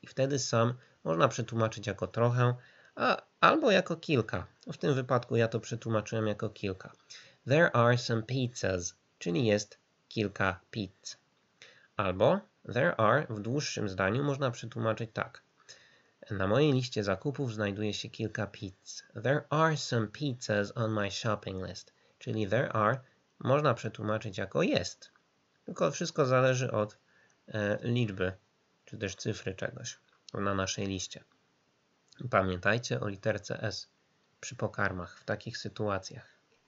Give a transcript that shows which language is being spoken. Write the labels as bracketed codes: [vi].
[pl] I wtedy some można przetłumaczyć jako trochę, albo jako kilka. W tym wypadku ja to przetłumaczyłem jako kilka. [en] There are some pizzas, [pl] czyli jest kilka pizz. Albo [en] there are [pl] w dłuższym zdaniu można przetłumaczyć tak. Na mojej liście zakupów znajduje się kilka pizz. [en] There are some pizzas on my shopping list. [pl] Czyli [en] there are [pl] można przetłumaczyć jako jest. Tylko wszystko zależy od liczby, czy też cyfry czegoś na naszej liście. Pamiętajcie o literce S przy pokarmach w takich sytuacjach.